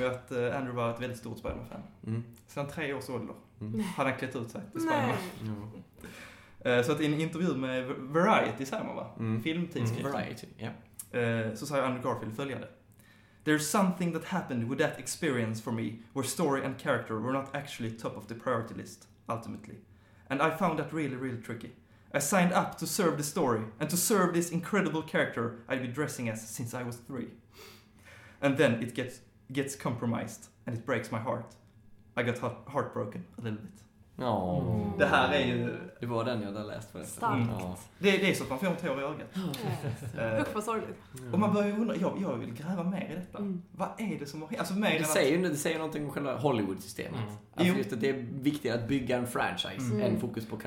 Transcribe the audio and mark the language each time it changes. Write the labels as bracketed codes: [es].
[sv] Andrew var ett väldigt stort Spider-Man-fan. Mm. Sedan 3 års ålder hade han klätt ut sig till Spider-Man. Så att i en intervju med Variety, säger man va? Mm. Filmtidskrift. Mm. Variety, ja. Så sa Andrew Garfield följande: [en] "There's something that happened with that experience for me where story and character were not actually top of the priority list, ultimately. And I found that really, really tricky. I signed up to serve the story and to serve this incredible character I'd been dressing as since I was 3. And then it gets compromised and it breaks my heart. I got heartbroken a little bit." [sv] Ja. Oh. Det här är ju... Det var den jag hade läst för. Starkt. Mm. Det är så att man får en tår i ögat. Usch, vad sorgligt. Och man börjar ju undra, jag vill gräva mer i detta. Mm. Vad är det som har... Alltså, mer det, säger att... det säger ju någonting om själva Hollywood-systemet. Mm. Alltså, just att det är viktigare att bygga en franchise än fokus på karaktären.